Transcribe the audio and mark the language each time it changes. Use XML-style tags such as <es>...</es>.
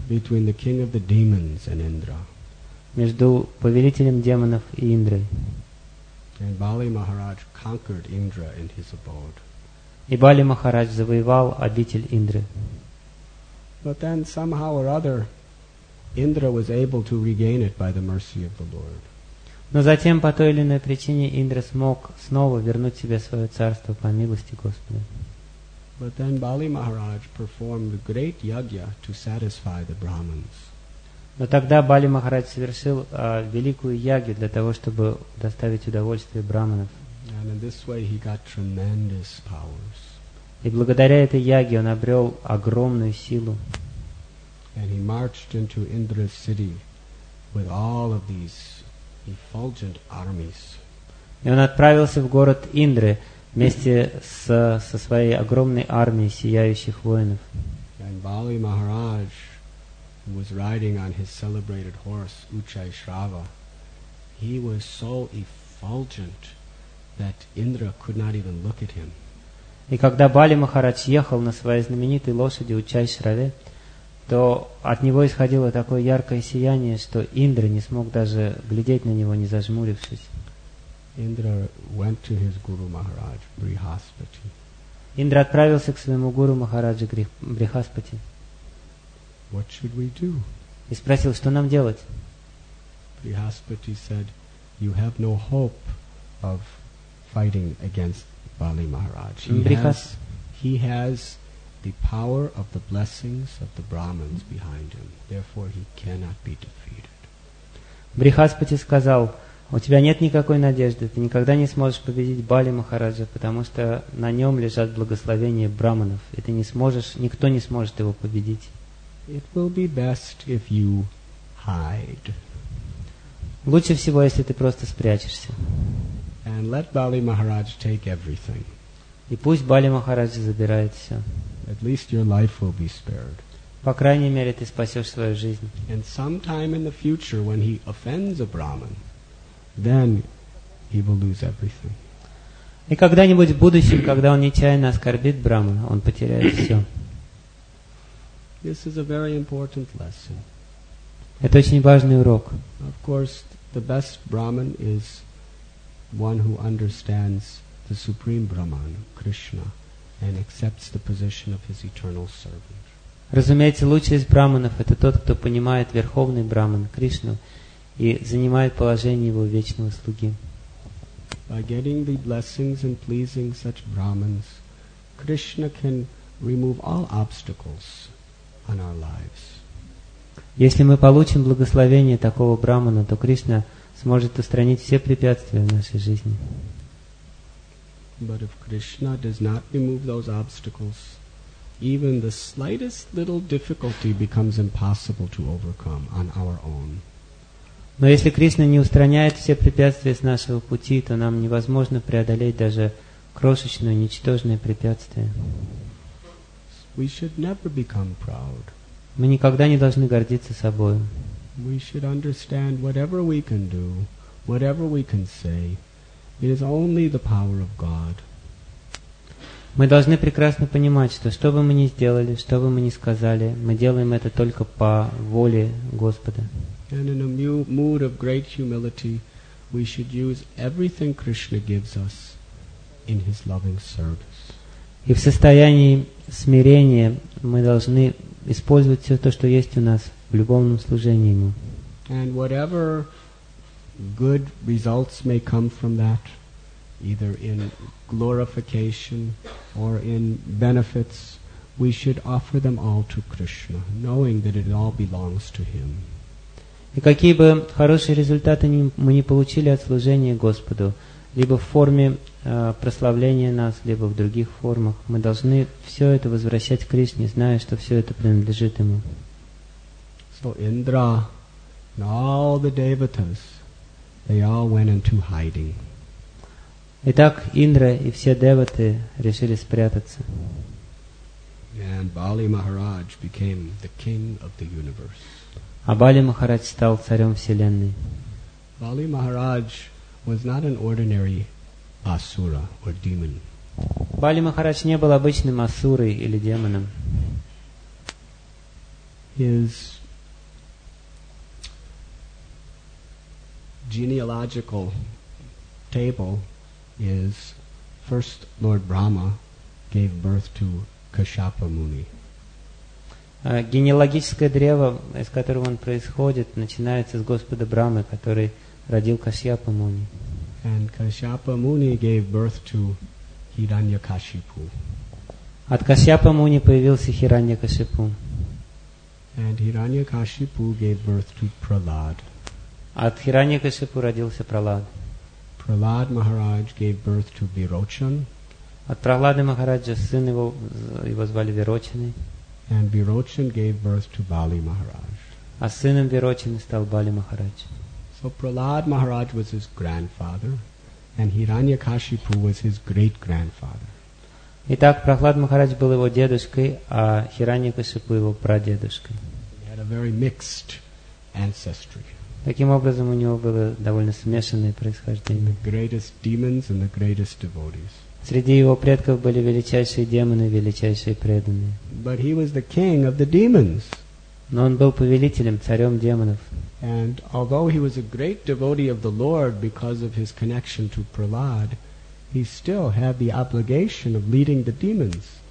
<en>between the king of the demons and Indra.</en> <ru>Между повелителем демонов и Индрой.</ru> <en>And Bali Maharaj conquered Indra in his abode.</en> <ru>И Бали Махарадж завоевал обитель Индры.</ru> <en>But then somehow or other, Indra was able to regain it by the mercy of the Lord.</en> <ru>Но затем по той или иной причине Индра смог снова вернуть себе свое царство по милости Господа.</ru> <en>But then Bali Maharaj performed a great yagya to satisfy the Brahmins.</en> <ru>Но тогда Бали Махарадж совершил великую ягью для того, чтобы доставить удовольствие браманов.</ru> <en>And in this way he got tremendous powers.</en> <ru>И благодаря этой яге он обрел огромную силу.</ru> <en>And he marched into Indra's city with all of these effulgent armies.</en> <ru>И он отправился в город Индры вместе со своей огромной армией сияющих воинов.</ru> <en>And Bali Maharaj was riding on his celebrated horse, Uchai Shrava. He was so effulgent that Indra could not even look at him.</en> <ru>И когда Бали Махарадж ехал на своей знаменитой лошади Учай Шраве, то от него исходило такое яркое сияние, что Индра не смог даже глядеть на него, не зажмурившись.</ru> <en>Indra went to his Guru Maharaj, Brihaspati.</en> <ru>Индра отправился к своему Гуру Махараджу Брихаспати.</ru> <en>What should we do?</en> <ru>И спросил, что нам делать?</ru> <en>Brihaspati said, you have no hope of fighting against Bali Maharaj. He has the power of the blessings of the Brahmins behind him. Therefore, he cannot be defeated.</en> <ru>Брихаспати сказал, у тебя нет никакой надежды, ты никогда не сможешь победить Бали Махараджа, потому что на нем лежат благословения Брахманов, и ты не сможешь, никто не сможет его победить.</ru> <en>It will be best if you hide.</en> <ru>Лучше всего, если ты просто спрячешься.</ru> <en>And let Bali Maharaj take everything.</en> <ru>И пусть Бали Махараджа забирает все.</ru> <en>At least your life will be spared.</en> <ru>По крайней мере, ты спасешь свою жизнь.</ru> <en>And sometime in the future, when he offends a Brahmin, then he will lose everything.</en> <ru>И когда-нибудь в будущем, когда он нечаянно оскорбит Брахмана, он потеряет все.</ru> <en>This is a very important lesson.</en> <ru>Это очень важный урок.</ru> <en>Of course, the best Brahmin is one who understands the Supreme Brahman, Krishna, and accepts the position of his eternal servant.</en> <ru>Разумеется, лучший из брахманов это тот, кто понимает верховный брахман Кришну и занимает положение его вечного слуги.</ru> <en>By getting the blessings and pleasing such brahmans, Krishna can remove all obstacles on our lives.</en> <ru>Если мы получим благословение такого брахмана, то Кришна сможет устранить все препятствия в нашей жизни.</ru> <en>But if Krishna does not remove those obstacles, even the slightest little difficulty becomes impossible to overcome on our own.</en> <ru>Но если Кришна не устраняет все препятствия с нашего пути, то нам невозможно преодолеть даже крошечное, ничтожное препятствие.</ru> <en>We should never become proud.</en> <ru>Мы никогда не должны гордиться собой.</ru> <en>We should understand whatever we can do, whatever we can say, it is only the power of God.</en> <ru>Мы должны прекрасно понимать, что бы мы ни сделали, что бы мы ни сказали, мы делаем это только по воле Господа.</ru> <en>And in a mood of great humility, we should use everything Krishna gives us in his loving service.</en> <ru>И в состоянии смирения мы должны использовать все то, что есть у нас, в любовном служении ему.</ru> <en>And whatever good results may come from that, either in glorification or in benefits, we should offer them all to Krishna, knowing that it all belongs to him.</en> <ru>И какие бы хорошие результаты мы ни получили от служения Господу, либо в форме прославления нас, либо в других формах, мы должны все это возвращать Кришне, зная, что все это принадлежит ему.</ru> <en>So Indra and all the devatas, they all went into hiding.</en> <ru>Итак, Индра и все деваты решили спрятаться.</ru> <en>And Bali Maharaj became the king of the universe.</en> <ru>А Бали Махарадж стал царем вселенной.</ru> <en>Bali Maharaj was not an ordinary asura or demon.</en> <ru>Бали Махарадж не был обычным асурой или демоном.</ru> <en>His genealogical table is first Lord Brahma gave birth to Kashyapa Muni.</en> <ru>Генеалогическое древо, из которого он происходит, начинается с Господа Брамы, который родил Кашьяпа Муни.</ru> <en>And Kashyapa Muni gave birth to Hiranyakashipu.</en> <ru>От Кашьяпа Муни появился Хираньякашипу.</ru> <en>And Hiranyakashipu gave birth to Prahlad.</en> <ru>От Хираньякашипу родился Прохлад.</ru> <en>Prahlad Maharaj gave birth to Virochan.</en> <ru>От Прохлады Махараджа сын его звали Вирочаной.</ru> <en>And Virochan gave birth to Bali Maharaj.</en> <ru>А сыном Вирочаны стал Бали Махарадж.</ru> <en>So Prahlad Maharaj was his grandfather, and Hiranyakashipu was his great-grandfather.</en> <ru>Итак, Прохлад Махарадж был его дедушкой, а Хираньякашипу его прадедушкой.</ru> <en>He had a very mixed ancestry.</en> <ru>Таким образом, у него было довольно смешанное происхождение.</ru> <en>The greatest demons and the greatest devotees.</en> <ru>Среди его предков были величайшие демоны, величайшие преданные.</ru> <en>But he was the king of the demons.</en> <ru>Но он был повелителем, царем демонов.</ru> <en>And although he was a great devotee of the Lord because of his connection to Prahlad, he still had the obligation of leading the demons.</en>